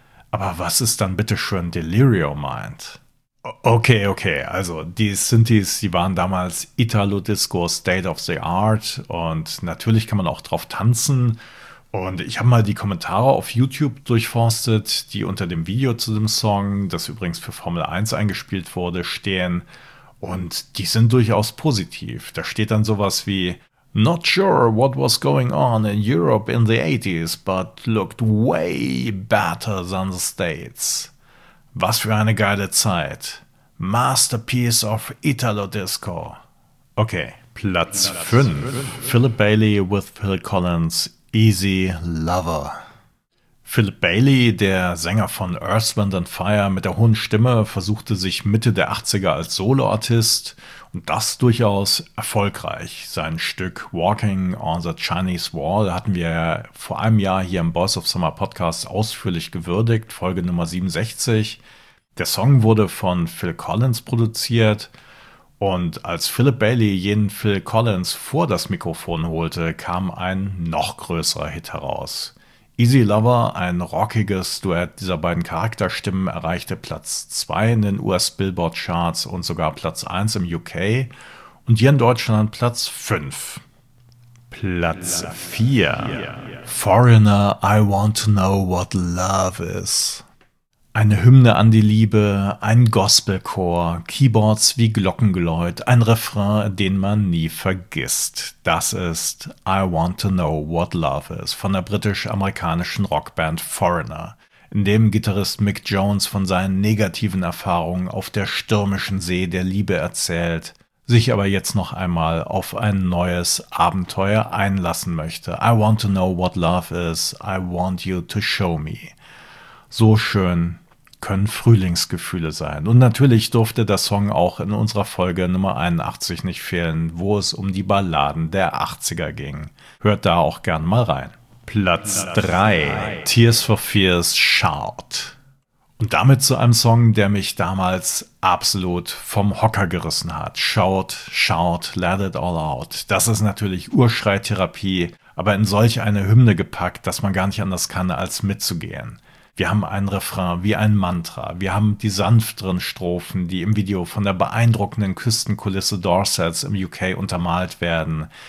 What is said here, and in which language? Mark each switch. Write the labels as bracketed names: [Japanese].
[German] Aber was ist dann bitteschön Deliriomind? Okay, also die Synthies, die waren damals Italo-Disco State of the Art und natürlich kann man auch drauf tanzen. Und ich habe mal die Kommentare auf YouTube durchforstet, die unter dem Video zu dem Song, das übrigens für Formel 1 eingespielt wurde, stehen. Und die sind durchaus positiv. [English] Da steht dann sowas wie "Not sure what was going on in Europe in the 80s, but looked way better than the States. [German] Was für eine geile Zeit. [English] Masterpiece of Italo Disco." [German] Okay, Platz 5. Philip Bailey with Phil Collins. Easy Lover. Philip Bailey, der Sänger von Earth, Wind & Fire mit der hohen Stimme, versuchte sich Mitte der 80er als Soloartist und das durchaus erfolgreich. Sein Stück Walking on the Chinese Wall hatten wir vor einem Jahr hier im Boys of Summer Podcast ausführlich gewürdigt, Folge Nummer 67. Der Song wurde von Phil Collins produziert. Und als Philip Bailey jenen Phil Collins vor das Mikrofon holte, kam ein noch größerer Hit heraus. Easy Lover, ein rockiges Duett dieser beiden Charakterstimmen, erreichte Platz 2 in den US-Billboard-Charts und sogar Platz 1 im UK und hier in Deutschland Platz 5. Platz 4. Foreigner, I want to know what love is. Eine Hymne an die Liebe, ein Gospelchor, Keyboards wie Glockengeläut, ein Refrain, den man nie vergisst. Das ist I Want to Know What Love Is von der britisch-amerikanischen Rockband Foreigner, in dem Gitarrist Mick Jones von seinen negativen Erfahrungen auf der stürmischen See der Liebe erzählt, sich aber jetzt noch einmal auf ein neues Abenteuer einlassen möchte. [English] I Want to Know What Love Is, I Want You to Show Me. [German] So schön können Frühlingsgefühle sein. Und natürlich durfte der Song auch in unserer Folge Nummer 81 nicht fehlen, wo es um die Balladen der 80er ging. Hört da auch gern mal rein. Platz 3. Tears for Fears Shout. Und damit zu einem Song, der mich damals absolut vom Hocker gerissen hat. [English] Shout, shout, let it all out. [German] Das ist natürlich Urschreitherapie, aber in solch eine Hymne gepackt, dass man gar nicht anders kann, als mitzugehen. Wir haben einen Refrain wie ein Mantra. Wir haben die sanfteren Strophen, die im Video von der beeindruckenden Küstenkulisse Dorsets im UK untermalt werden.